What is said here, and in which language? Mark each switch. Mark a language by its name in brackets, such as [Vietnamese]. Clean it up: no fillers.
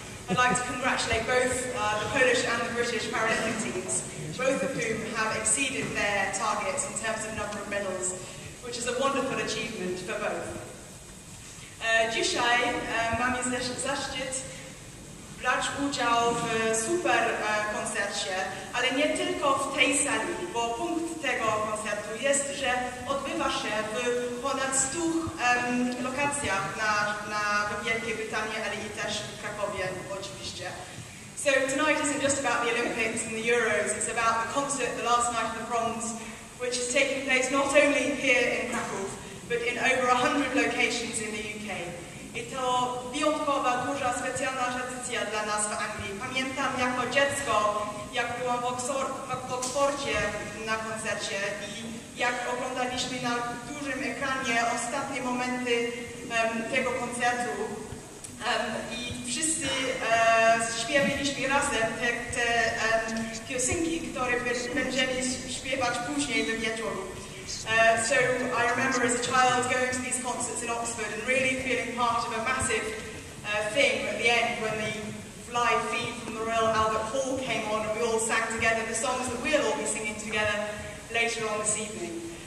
[English] I'd like to congratulate both the Polish and the British Paralympic teams, both of whom have exceeded their targets in terms of number of medals, which is a wonderful achievement for both. [Polish] Dzisiaj mam zaszczyt brać udział w super koncercie, ale nie tylko w tej sali, bo punkt tego koncertu jest, że odbywa się w ponad 100 lokacjach na Wielkiej Brytanii, ale i też w Krakowie oczywiście. [English] So tonight isn't just about the Olympics and the Euros, it's about the concert, the Last Night of the Proms, which is taking place not only here in Krakow, but in over 100 locations in the UK. [Polish] I to wyjątkowa, duża, specjalna tradycja dla nas w Anglii. Pamiętam jako dziecko, jak byłam w Oxfordzie na koncercie i jak oglądaliśmy na dużym ekranie ostatnie momenty tego koncertu i wszyscy śpiewaliśmy razem te piosenki, które będziemy śpiewać później do wieczoru. [English] So I remember as a child going to these concerts in Oxford and really feeling part of a massive thing at the end when the live feed from the Royal Albert Hall came on and we all sang together the songs that we'll all be singing together later on this evening.